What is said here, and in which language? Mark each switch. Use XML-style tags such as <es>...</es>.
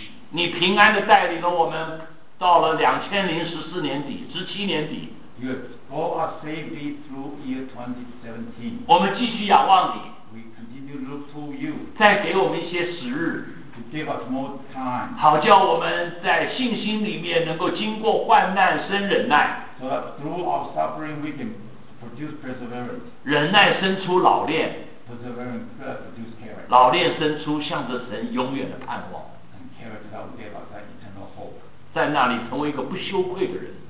<zh>你平安地带领了我们到了2014年底，17年底。</zh> <en>You have all are saved through year 2017.</en> <zh>我们继续仰望你。</zh> <en>We continue to look to you.</en> <zh>再给我们一些时日。</zh> <en>To give us more time.</en> <zh>好叫我们在信心里面能够经过患难生忍耐。</zh> <en>So that through our suffering we can produce perseverance.</en> <zh>忍耐生出老练。</zh> <en>Perseverance produce character.</en> <zh>老练生出向着神永远的盼望。</zh> <en>And character that will give us that eternal hope.</en> <zh>在那里成为一个不羞愧的人。</zh>